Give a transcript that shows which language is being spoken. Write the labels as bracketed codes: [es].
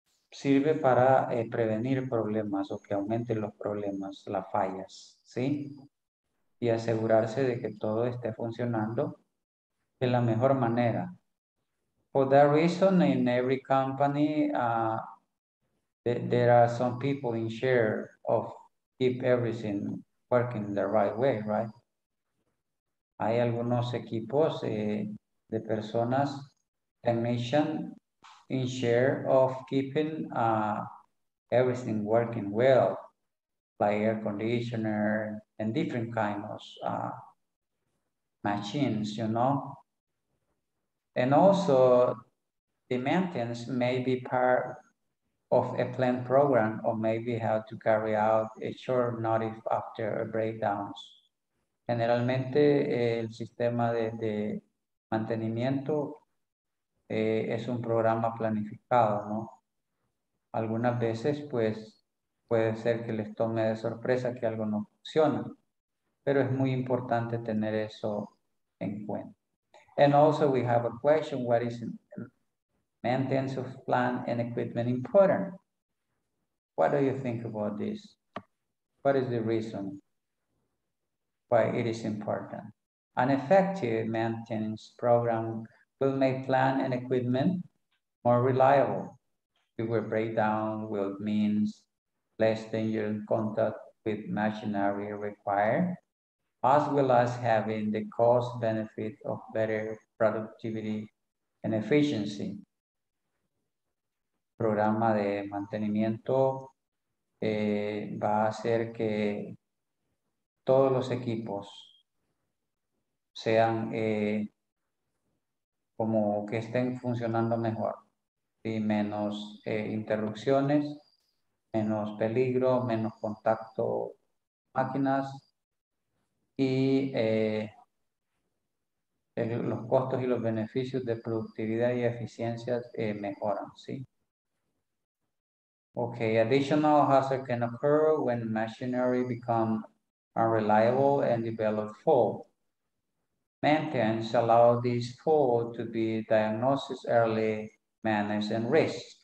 [es] Sirve para prevenir problemas o que aumenten los problemas, las fallas, ¿sí? Y asegurarse de que todo esté funcionando de la mejor manera. [en] For that reason, in every company, there are some people in charge of keep everything working the right way, right? [es] Hay algunos equipos de personas, [en] technicians, in charge of keeping everything working well, like air conditioner and different kinds of machines, you know? And also the maintenance may be part of a planned program or maybe have to carry out a short notice after a breakdown. [es] Generalmente el sistema de mantenimiento es un programa planificado, ¿no? Algunas veces, pues, puede ser que les tome de sorpresa que algo no funciona, pero es muy importante tener eso en cuenta. [en] And also we have a question, what is maintenance of plant and equipment important? What do you think about this? What is the reason why it is important? An effective maintenance program will make plant and equipment more reliable. If we break down, will mean less dangerous contact with machinery required, as well as having the cost benefit of better productivity and efficiency. [es] Programa de mantenimiento va a hacer que todos los equipos sean como que estén funcionando mejor y menos interrupciones, menos peligro, menos contacto máquinas. Y los costos y los beneficios de productividad y eficiencia mejoran, ¿sí? [en] Okay, additional hazard can occur when machinery become unreliable and develop fault. Maintenance allow this fault to be diagnosed early, managed, and risk.